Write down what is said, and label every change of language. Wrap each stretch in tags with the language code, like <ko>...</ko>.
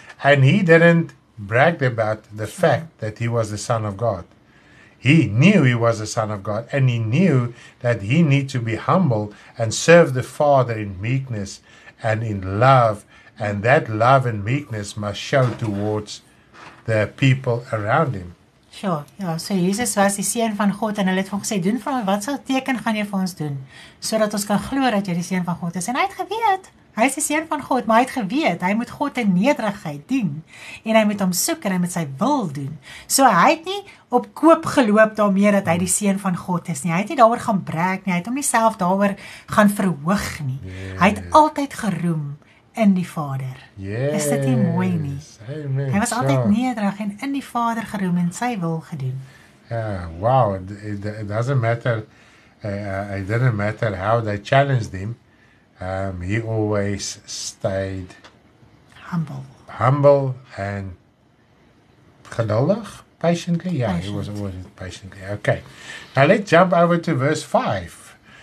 <en>And he didn't brag about the fact that he was the Son of God. He knew he was the Son of God, and he knew that he needed to be humble and serve the Father in meekness and in love, and that love and meekness must show towards the people around him.</en> <af>Sure, ja, so Jesus was die Seun van God, en hy het vir hom gesê, doen vir my, wat sal teken gaan jy vir ons doen, so dat ons kan glo dat jy die Seun van God is, en hy het geweet. Hy is die Seun van God, maar hy het geweet, hy moet God in nederigheid dien, en hy moet hom soek, en hy moet sy wil doen. So hy het nie op koop geloop daarmee, dat hy die Seun van God is nie, hy het nie daarover gaan brek nie, hy het hom nie self daarover gaan verhoog nie.</af> <en>Yes.</en> <af>Hy het altyd geroem in die Vader.</af> <en>Yes.</en> <af>Is dit nie mooi nie?</af> <en>Amen.</en> <af>Hy was altyd nederig en in die Vader geroem en sy wil gedoen.</af> <en>Yeah, wow, it doesn't matter, it didn't matter how they challenged him, he always stayed humble and</en> <af>geduldig,</af> <en>patiently. Yeah, patient. He was always patiently. Okay, now let's jump over to verse 5.</en>